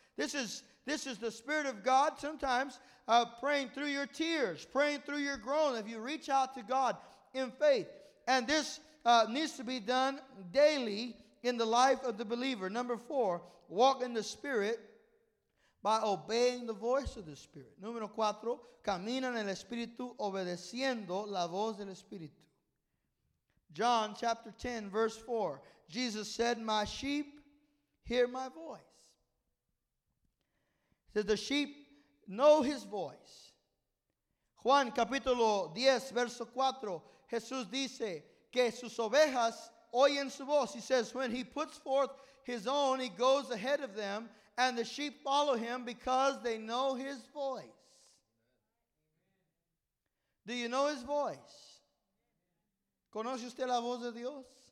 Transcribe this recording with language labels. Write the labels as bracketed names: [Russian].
[English] This is the Spirit of God sometimes praying through your tears, praying through your groan if you reach out to God in faith. And this needs to be done daily in the life of the believer. Number four, walk in the Spirit by obeying the voice of the Spirit. [Spanish] Número cuatro, camina en el Espíritu obedeciendo la voz del Espíritu. [English] John chapter 10, verse 4. Jesus said, my sheep hear my voice. He said, the sheep know his voice. [Spanish] Juan capítulo 10, verso 4. Jesús dice, que sus ovejas oyen su voz. [English] He says, when he puts forth his own, he goes ahead of them, and the sheep follow him because they know his voice. Do you know his voice? [Spanish] ¿Conoce usted la voz de Dios?